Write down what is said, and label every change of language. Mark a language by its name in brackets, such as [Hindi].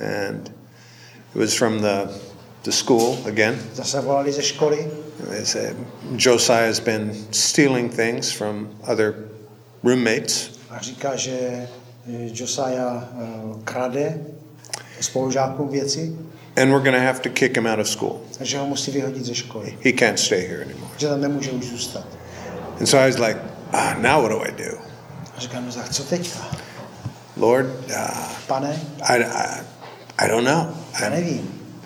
[English] And it was from the school again. [Czech] Zase volali ze školy. [English] And they said, Josiah has been stealing things from other roommates. [Czech] A říká, že Josiah krade spolužákům věci. [English] And we're going to have to kick him out of school. [Czech] Že ho musí vyhodit ze školy. [English] He can't stay here anymore. [Czech] Že tam nemůže už zůstat. [English] And so I was like, now what do I do? [Czech] A říkám, tak co teďka? [English] Lord, [Czech] Pane, [English] I don't know. [Czech] Já nevím.